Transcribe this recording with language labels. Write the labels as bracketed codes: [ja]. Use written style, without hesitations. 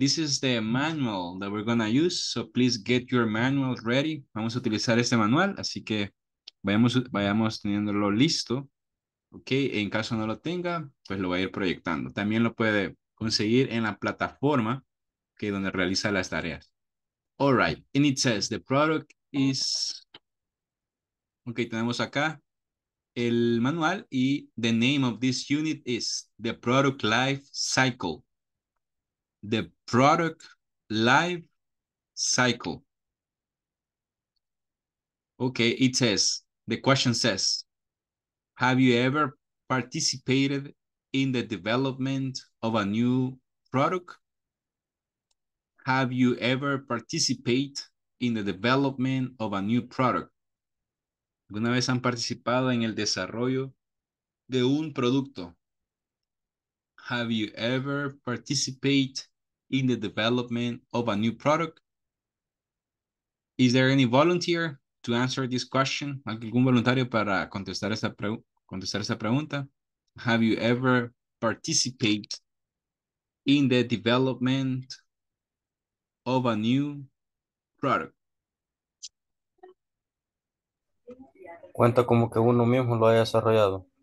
[en] This is the manual that we're gonna use. So please get your manual ready. [es] Vamos a utilizar este manual, así que vayamos teniéndolo listo. Okay, en caso no lo tenga, pues lo va a ir proyectando. También lo puede conseguir en la plataforma que es donde realiza las tareas. [en] All right, and it says the product is... Okay, [es] tenemos acá el manual y [en] the name of this unit is the product life cycle. The product life cycle. Okay, it says, the question says, have you ever participated in the development of a new product? Have you ever participated in the development of a new product? [es] ¿Alguna vez han participado en el desarrollo de un producto? [en] Have you ever participated in the development of a new product? Is there any volunteer to answer this question? [es] ¿Algún voluntario para contestar esa pregunta? [en] Have you ever participated in the development of a new product? [es] Cuenta como que uno mismo lo haya desarrollado.